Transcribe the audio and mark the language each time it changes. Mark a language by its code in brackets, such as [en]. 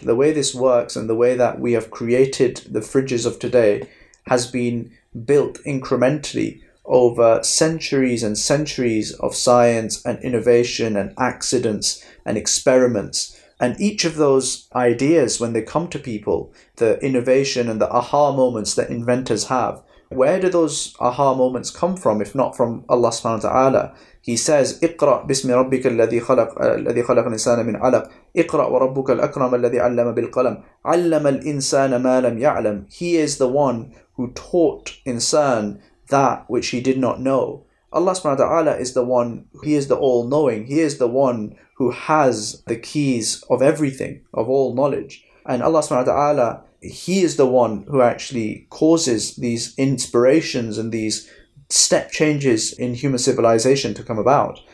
[en] The way this works and the way that we have created the fridges of today has been built incrementally over centuries and centuries of science and innovation and accidents and experiments. And each of those ideas, when they come to people, the innovation and the aha moments that inventors have, where do those aha moments come from, if not from Allah subhanahu wa ta'ala? He says, [ar] اقرأ باسم ربك الذي خلق الإنسان من علق, اقرأ وربك الأكرم الذي علم بالقلم, علم الإنسان ما لم يعلم. [en] He is the one who taught insan that which he did not know. Allah subhanahu wa ta'ala is the one, he is the all-knowing, he is the one who has the keys of everything, of all knowledge. And Allah subhanahu wa ta'ala, he is the one who actually causes these inspirations and these step changes in human civilization to come about.